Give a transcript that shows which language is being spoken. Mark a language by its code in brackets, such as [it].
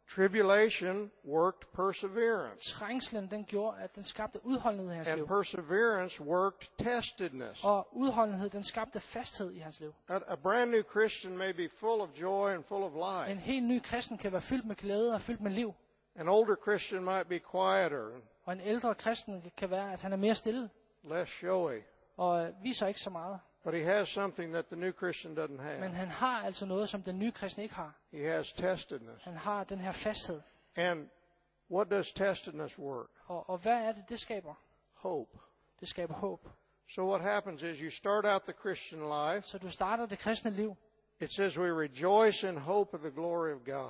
[en] Tribulation worked perseverance. [da] Trængslen, den gjorde, at den skabte udholdenhed i hans liv. [en] And perseverance worked testedness. [da] Og udholdenhed, den skabte fasthed i hans liv. [en] A brand new Christian may be full of joy and full of life. [da] En helt ny kristen kan være fyldt med glæde og fyldt med liv. [en] An older Christian might be quieter. [da] Og en ældre kristen kan være, at han er mere stille. [en] Less showy. [da] Og viser ikke så meget. [en] But he has something that the new Christian doesn't have. [da] Men han har altså noget, som den nye kristen ikke har. [en] He has testedness. [da] Han har den her fasthed. [en] And what does testedness work? [da] Og hvad er det skaber? [en] Hope. [da] Det skaber håb. [en] So what happens is you start out the Christian life. [da] Så du starter det kristne liv. [en] It says we rejoice in hope of the glory of God.